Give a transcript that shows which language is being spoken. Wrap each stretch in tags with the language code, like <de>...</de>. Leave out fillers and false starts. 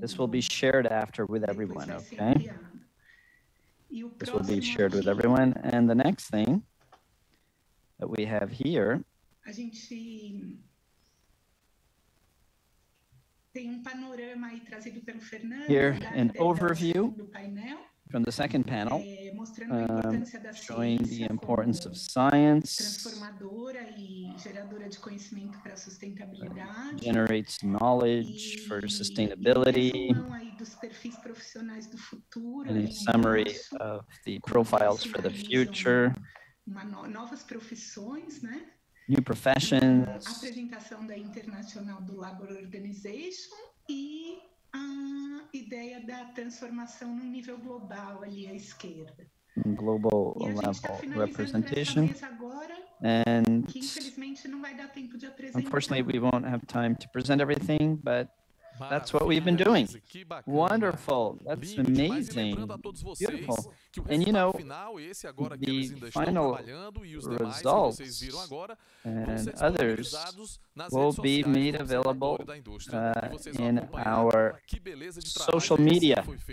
<en>This will be shared after with everyone, okay? This will be shared with everyone. And the next thing that we have here,</en> <pt>a gente tem panorama aí trazido pelo Fernando,</pt> <en>here, an overview from the second panel, showing the importance of science,</en> <pt>transformadora e geradora de conhecimento para sustentabilidade,</pt> <en>generates knowledge for sustainability, and a summary of the profiles for the future,</en> <pt>novas profissões, né?</pt> <en>New professions,</en> <pt>a apresentação da International do Labor Organization e a ideia da transformação no nível global ali à esquerda.</pt> <en>Global level representation.</en> <pt>Agora,</pt> <en>and</en> <pt>que infelizmente não vai dar tempo de apresentar.</pt> <en>Unfortunately, we won't have time to present everything, but that's what we've been doing. Wonderful. That's amazing. Beautiful. And you know, the final results and others will be made available in our social media.</en>